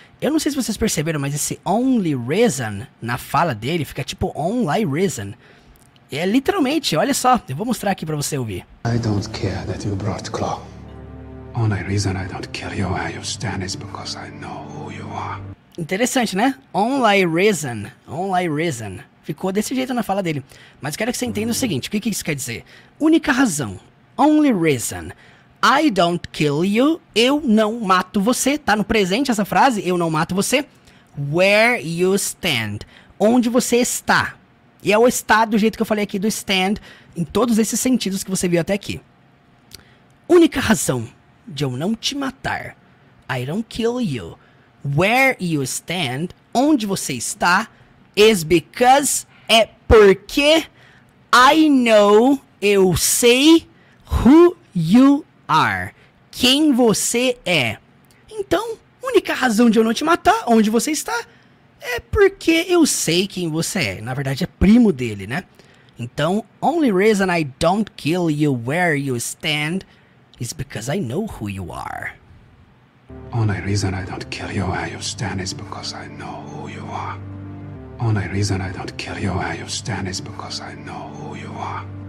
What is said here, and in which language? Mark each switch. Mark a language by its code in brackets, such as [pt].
[pt] Eu não sei se vocês perceberam, mas esse only reason na fala dele fica tipo only reason. É literalmente, olha só, eu vou mostrar aqui pra você ouvir. [en] I don't care that you brought Claw. Only reason I don't kill you where you stand is because I know who you are. [pt] Interessante, né? [en] Only reason, only reason. [pt] Ficou desse jeito na fala dele. Mas quero que você entenda o seguinte, o que, que isso quer dizer? Única razão, only reason. [en] I don't kill you, [pt] eu não mato você, tá no presente essa frase, eu não mato você, [en] where you stand, [pt] onde você está, e é o estado do jeito que eu falei aqui do stand, em todos esses sentidos que você viu até aqui. Única razão de eu não te matar, [en] I don't kill you, where you stand, [pt] onde você está, [en] is because, [pt] é porque, [en] I know, [pt] eu sei, [en] who you are, [pt] quem você é. Então, única razão de eu não te matar, onde você está, é porque eu sei quem você é. Na verdade, é primo dele, né? [en] Então, only reason I don't kill you where you stand is because I know who you are. Only reason I don't kill you where you stand is because I know who you are. Only reason I don't kill you where you stand is because I know who you are.